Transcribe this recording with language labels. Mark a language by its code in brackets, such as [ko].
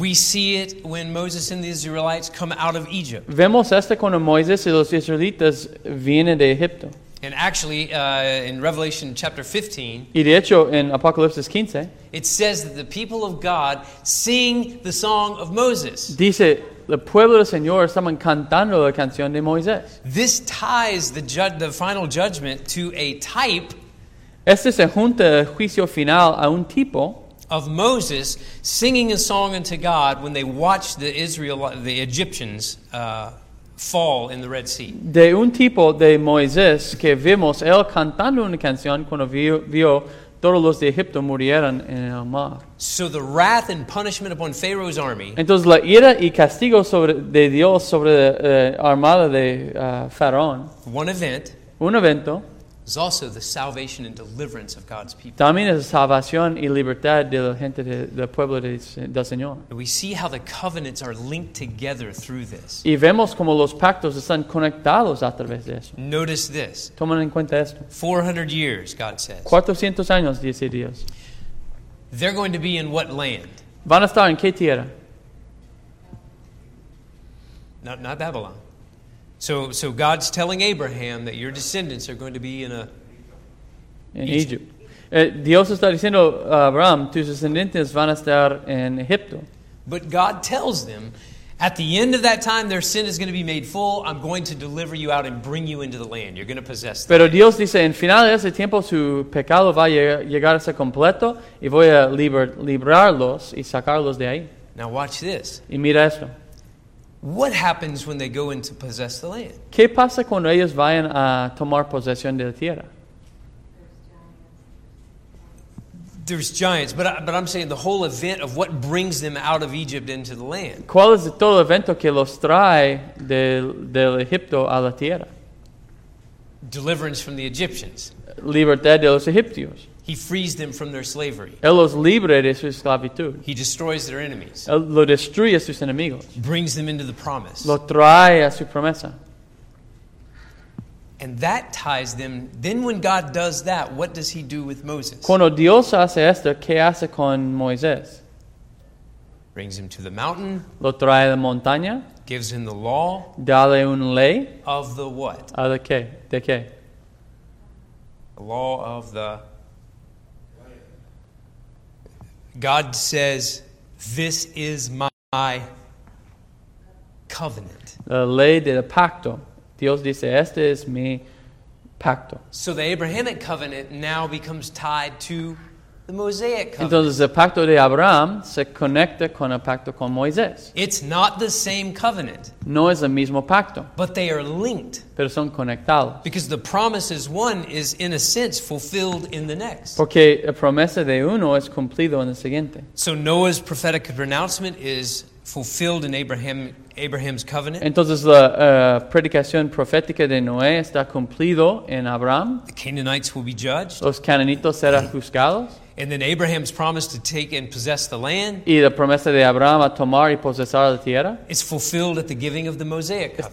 [en] We see it when Moses and the Israelites come out of Egypt. [es] Vemos esto cuando Moisés y los israelitas vienen de Egipto. [en] And actually, in Revelation chapter 15, [es] y de hecho, en Apocalipsis 15, [en] it says that the people of God sing the song of Moses. [es] Dice, el pueblo del Señor estaban cantando la canción de Moisés. [en] This ties the final judgment to a type. [es] Este se junta el juicio final a un tipo. [en] Of Moses singing a song unto God when they watched the Egyptians. Fall in the Red Sea. [es] De un tipo de Moisés que vimos él cantando una canción cuando vio todos los de Egipto murieron en el mar. [en] So the wrath and punishment upon Pharaoh's army. [es] Entonces la ira y castigo de Dios sobre la armada de Faraón. [en] One event. [es] Un evento. [en] Is also the salvation and deliverance of God's people. [es] También es salvación y libertad de la gente del pueblo del Señor. [en] And we see how the covenants are linked together through this. [es] Y vemos como los pactos están conectados a través de eso. [en] Notice this. [es] Tomen en cuenta esto. [en] 400 years, God says. [es] 400 años, dice Dios. [en] They're going to be in what land? [es] Van a estar en qué tierra? [en] Not Babylon. So God's telling Abraham that your descendants are going to be in Egypt. [es] Dios está diciendo a Abraham, tus descendientes van a estar en Egipto. [en] But God tells them, at the end of that time, their sin is going to be made full. I'm going to deliver you out and bring you into the land. You're going to possess the land. [es] Pero Dios dice, en final de ese tiempo, su pecado va a llegar a ser completo, y voy a librarlos y sacarlos de ahí. [en] Now watch this. [es] Y mira esto. [en] What happens when they go in to possess the land? [es] ¿Qué pasa cuando ellos vayan a tomar posesión de la tierra? [en] There's giants, but I'm saying the whole event of what brings them out of Egypt into the land. [es] ¿Cuál es todo el evento que los trae del Egipto a la tierra? [en] Deliverance from the Egyptians. [es] Libertad de los egipcios. [en] He frees them from their slavery. [es] Él los libra de su esclavitud. [en] He destroys their enemies. [es] Él lo destruye a sus enemigos. [en] Brings them into the promise. [es] Lo trae a su promesa. [en] And that ties them. Then when God does that, what does he do with Moses? [es] Cuando Dios hace esto, ¿qué hace con Moisés? [en] Brings him to the mountain. [es] Lo trae a la montaña. [en] Gives him the law. [es] Dale una ley. [en] Of the what? [es] De qué? [en] The law of the... God says, this is my covenant. [es] La ley del pacto. Dios dice, este es mi pacto. [en] So the Abrahamic covenant now becomes tied to the Mosaic covenant. [es] Entonces el pacto de Abraham se conecta con el pacto con Moisés. [en] It's not the same covenant. [es] No es el mismo pacto. [en] But they are linked. [es] Pero son conectados. [en] Because the promise is one is in a sense fulfilled in the next. [es] Porque la promesa de uno es cumplido en el siguiente. [en] So Noah's prophetic pronouncement is fulfilled in Abraham's covenant. [es] Entonces la predicación profética de Noé está cumplido en Abraham. [en] The Canaanites will be judged. [es] Los cananitos serán juzgados. [en] And then Abraham's promise to take and possess the land. [es] Y la promesa de Abraham a tomar y posesar la tierra. [en] Is fulfilled at the giving of the Mosaic covenant.